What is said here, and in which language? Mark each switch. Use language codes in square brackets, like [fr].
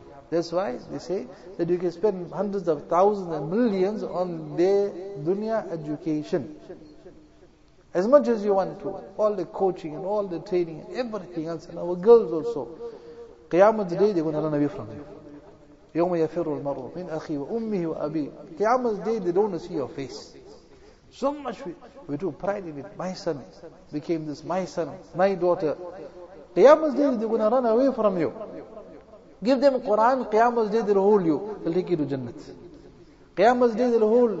[en] That's why they say that you can spend hundreds of thousands and millions on their dunya education. As much as you want to. All the coaching and all the training and everything else. And our girls also. Qiyamah day, they're going to run away from you. [ar] يوم يفر المرء من أخيه وأمه وأبيه. [en] Qiyamah day, they don't see your face. So much we do pride in it. My son became this. My son, my daughter. Qiyamah day, they're going to run away from you. Give them Quran, Qiyamah day, they'll hold you. They'll take you to Jannah. Qiyamah day, they'll hold.